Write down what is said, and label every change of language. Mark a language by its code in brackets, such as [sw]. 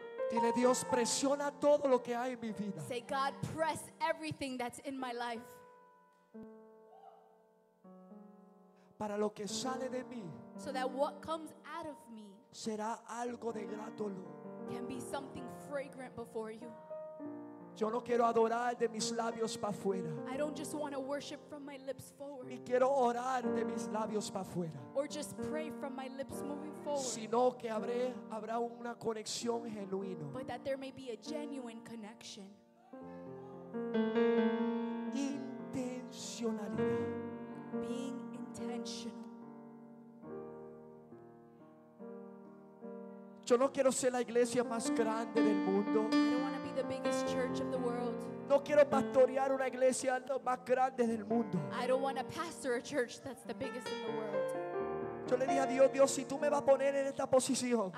[es] Dile, Dios, presiona todo lo que hay en mi vida. [en] Say, God, press everything that's in my life. [es] Para lo que sale de mí. [en] So that what comes out of me. [es] Será algo de grato olor. [en] Can be something fragrant before you. [es] Yo no quiero adorar de mis labios para afuera. [en] I don't just want to worship from my lips forward. [es] Ni quiero orar de mis labios para afuera. [en] Or just pray from my lips moving forward. [es] Sino que habrá una conexión genuina. [en] But that there may be a genuine connection. [es] Intencionalidad. [en] Being intentional. [es] Yo no quiero ser la iglesia más grande del mundo. [en] The biggest church of the world. [es] No quiero pastorear una iglesia más grande del mundo. [en] I don't want to pastor a church that's the biggest in the world. [es] Yo le dije a Dios, Dios, si tú me vas a poner en esta posición,